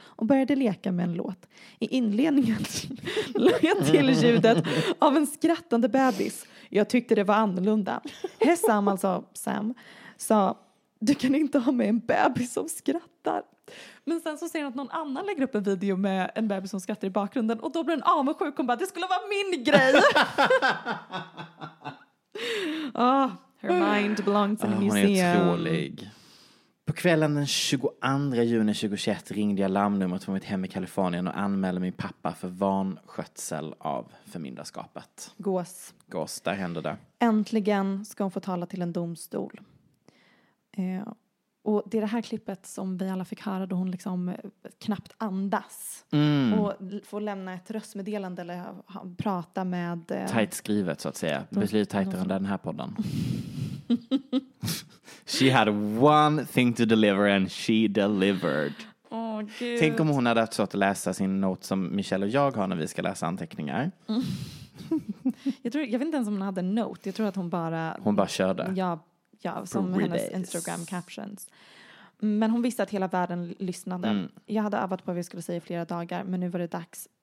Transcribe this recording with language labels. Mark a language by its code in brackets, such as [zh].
[sv] Och började leka med en låt. I inledningen lade jag till ljudet av en skrattande bebis. Jag tyckte det var annorlunda. Hessam, alltså Sam, sa: du kan inte ha med en bebis som skrattar. Men sen så ser jag att någon annan lägger upp en video med en bebis som skrattar i bakgrunden. Och då blir en avundsjuk och bara: det skulle vara min grej. [en] Oh, her mind belongs in a museum. [sv] Hon är otrolig. På kvällen den 22 juni 2021 ringde jag larmnumret från mitt hem i Kalifornien och anmälde min pappa för vanskötsel av förmyndarskapet. Gås. Gås, där hände det. Äntligen ska hon få tala till en domstol. Och det är det här klippet som vi alla fick höra då hon liksom knappt andas. Mm. Och får lämna ett röstmeddelande eller prata med... tajt skrivet så att säga. Beslut tajtare än den här podden. [en] She had one thing to deliver and she delivered. [sv] Oh, Gud. Tänk om hon hade haft så att läsa sin not som Michelle och jag har när vi ska läsa anteckningar. Mm. jag vet inte ens om hon hade en not. Jag tror att hon bara... Hon bara körde. Ja, som Bridges. Hennes Instagram captions. Men hon visste att hela världen lyssnade. Mm. Jag hade övat på vad vi skulle säga i flera dagar. Men nu var det dags.